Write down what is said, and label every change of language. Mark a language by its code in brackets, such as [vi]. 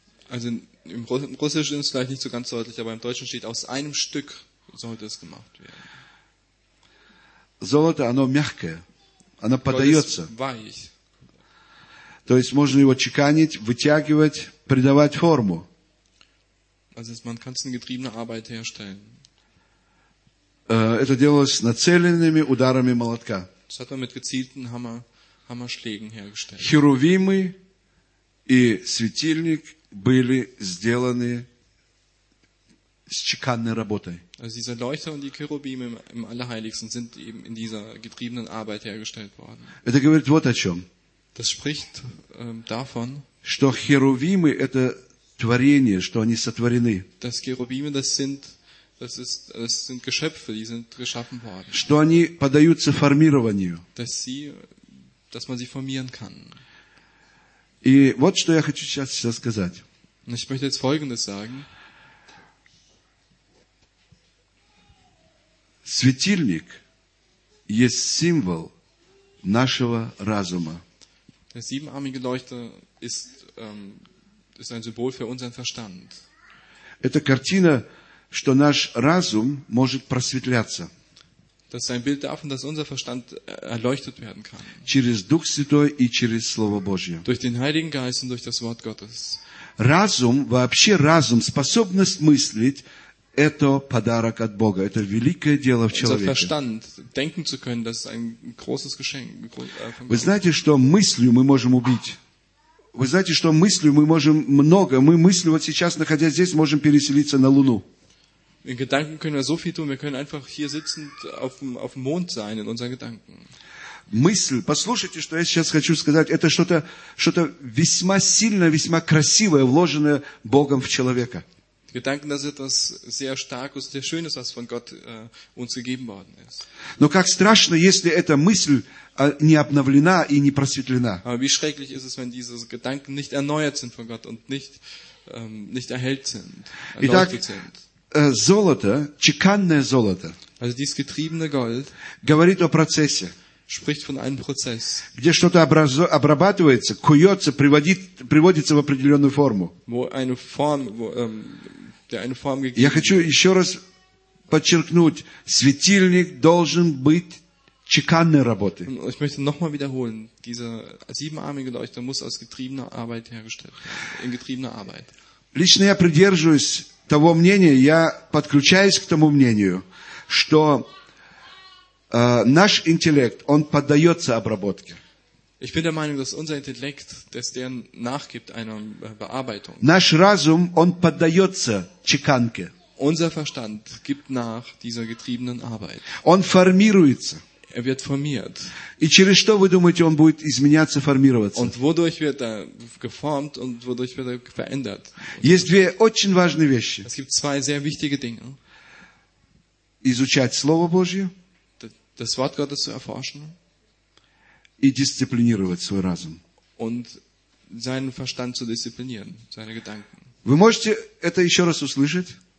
[de] Also im Russischen ist es vielleicht nicht so ganz deutlich, aber im Deutschen steht, aus einem Stück sollte es gemacht werden. [ru] Золото, оно мягкое. Оно подается. [de] Weich. [ru] То есть можно его чеканить, вытягивать, придавать форму. [de] Also man kann es in getriebener Arbeit herstellen. [ru] Это делалось с нацеленными ударами молотка. [de] Das hat man mit gezielten Hammerschlägen hergestellt. [ru] Херувимы и светильник были сделаны с чеканной работой. [de] Also dieser Leuchter und die Cherubime im Allerheiligsten sind eben in dieser getriebenen Arbeit hergestellt worden. [ru] Это говорит вот о чем. [de] Das spricht davon, [ru] что Херувимы это творение, что они сотворены. [de] Dass Cherubime das sind Geschöpfe, die sind geschaffen worden. [ru] Что они поддаются формированию. [de] Dass man sie formieren kann. [ru] И вот что я хочу сейчас сказать. [de] Ich möchte jetzt Folgendes sagen. [ru] Светильник есть символ нашего разума. [de] Der siebenarmige Leuchter ist ein Symbol für unseren Verstand. [ru] Это картина, что наш разум может просветляться. [de] Das ist ein Bild davon, dass unser Verstand erleuchtet werden kann. [ru] Через Дух Святой и через Слово Божье. [de] Durch den Heiligen Geist und durch das Wort Gottes. [ru] Разум, вообще разум, способность мыслить, это подарок от Бога. Это великое дело в человеке. [de] Unser Verstand, denken zu können, das ist ein großes Geschenk. [ru] Вы знаете, что мыслью мы можем убить? Вы знаете, что мыслью мы можем много. Мы мыслью вот сейчас, находясь здесь, можем переселиться на Луну. [de] In Gedanken können wir so viel tun. Wir können einfach hier sitzend auf dem Mond sein in unseren Gedanken. [ru] Мысль, послушайте, что я сейчас хочу сказать, это что-то весьма сильное, весьма красивое, вложенное Богом в человека. [de] Gedanken, das ist etwas sehr Starkes, sehr Schönes, was von Gott uns gegeben worden ist. [ru] Но как страшно, если эта мысль не обновлена и не просветлена. [de] Aber wie schrecklich ist es, wenn diese Gedanken nicht erneuert sind von Gott und nicht erhellt sind, erleuchtet sind. [ru] Золото, чеканное золото, [de] also dieses getriebene Gold, [ru] говорит о процессе, [de] spricht von einem Prozess, [ru] где что-то обрабатывается, куется, приводится в определенную форму. [de] Wo eine Form, der eine Form gegeben. [ru] Я хочу еще раз подчеркнуть, светильник должен быть чеканной работы. [de] Ich möchte nochmal wiederholen, dieser siebenarmige Leuchter muss aus getriebener Arbeit hergestellt werden, in getriebener Arbeit. [ru] Лично я придерживаюсь того мнения, я подключаюсь к тому мнению, что наш интеллект, он поддается обработке. [de] Ich bin der Meinung, dass unser Intellekt, dass der nachgibt einer Bearbeitung. [ru] Наш разум, он поддается чеканке. [de] Unser Verstand gibt nach dieser getriebenen Arbeit. [ru] Он формируется. [de] Er wird formiert. [ru] И через что, вы думаете, он будет изменяться, формироваться? [de] Und wodurch wird er geformt und wodurch wird er verändert? [ru] Есть две очень важные вещи. [de] Es gibt zwei sehr wichtige Dinge. [ru] Изучать Слово Божье. [de] Das Wort Gottes zu erforschen. [ru] И дисциплинировать свой разум. [de] Und seinen Verstand zu disziplinieren, seine Gedanken. [ru] Вы можете это еще раз услышать?